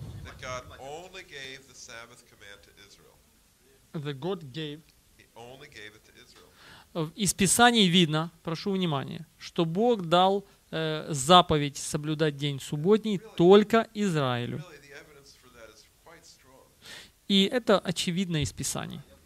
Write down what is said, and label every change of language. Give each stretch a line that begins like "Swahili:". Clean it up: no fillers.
English: That God only gave the Sabbath command to Israel. That God gave. He only gave it to Israel.
Russian: Из Писания видно, прошу внимания, что Бог дал заповедь соблюдать день субботний
English: really,
Russian: только Израилю.
English: Really, the evidence for that is quite strong.
Russian: И это очевидно из Писаний.